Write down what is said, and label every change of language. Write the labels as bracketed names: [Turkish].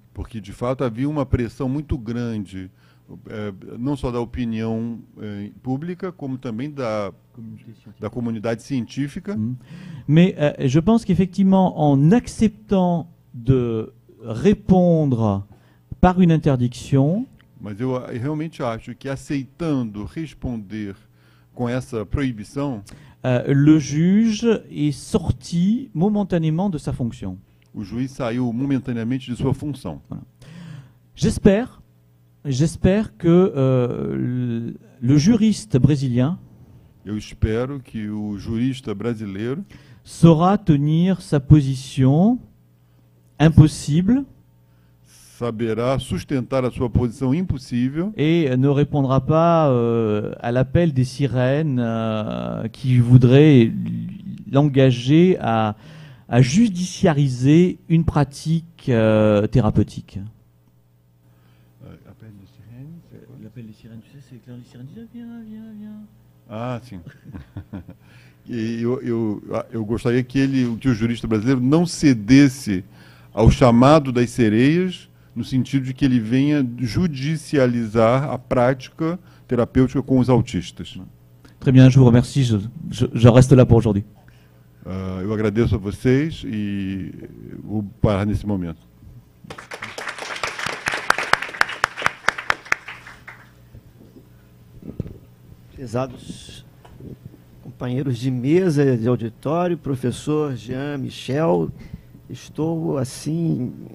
[Portuguese] Porque de fato havia uma pressão muito grande, não só da opinião pública como também da comunidade científica. [French] Mais je pense qu'effectivement en acceptant de répondre par une interdiction, [Portuguese] mas eu realmente acho que aceitando responder com essa proibição, [French] le juge est sorti momentanément de sa fonction. [Portuguese] O juiz saiu momentaneamente de sua função. [French] J'espère J'espère que le juriste brésilien [Portuguese] Eu espero que o jurista brasileiro [French] saura tenir sa position impossible. [Portuguese] Saberá sustentar a sua posição impossível. [French] Et ne répondra pas à l'appel des sirènes qui voudraient l'engager à judiciariser une pratique thérapeutique. L'appel des sirènes, c'est quoi ? L'appel des sirènes, tu sais, c'est quand les sirènes disent viens. [Portuguese] Ah, sim. E eu gostaria que ele, que o jurista brasileiro não cedesse ao chamado das sereias, no sentido de que ele venha judicializar a prática terapêutica com os autistas. [French] Très bien, je vous remercie. Je reste là pour aujourd'hui. [Portuguese] Eu agradeço a vocês e vou parar nesse momento. Pesados companheiros de mesa, de auditório, professor Jean Michel, estou assim